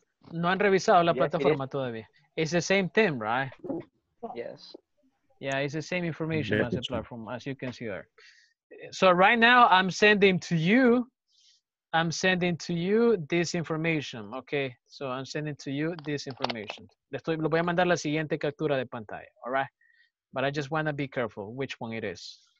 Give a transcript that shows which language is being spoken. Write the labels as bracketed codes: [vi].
[es] No han revisado la plataforma todavía. [en] It's the same thing, right? Yes. Yeah, it's the same information as the platform, as you can see there. So right now, I'm sending to you this information, okay? So I'm sending to you this information. [es] Lo voy a mandar la siguiente captura de pantalla, [en] all right? But I just want to be careful which one it is.